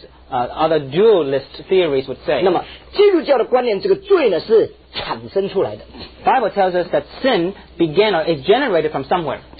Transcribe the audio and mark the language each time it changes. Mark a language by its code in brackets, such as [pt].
[en] Other dualist theories would say. [zh] 那么基督教的观念，这个罪呢是产生出来的。 [en] Bible tells us that sin began or is generated from somewhere.